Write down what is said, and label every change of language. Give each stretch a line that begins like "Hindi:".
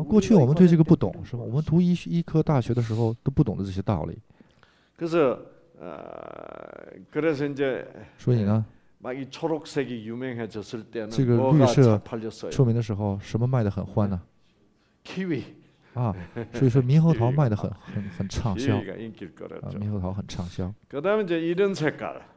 Chinese: 过去我们对这个不懂是吧？我们读医科大学的时候都不懂得这些道理。
Korean: 그래서그래서이제
Chinese: 所以呢？
Korean: 막이초록색이유명해졌을때는
Chinese: 这个绿色出名的时候，什么卖的很欢呢？
English: Kiwi
Chinese: 啊，所以说猕猴桃卖的很畅销。
Korean: Kiwi가인기일거라죠
Chinese: 猕猴桃很畅销。
Korean: 그다음에이제이런색깔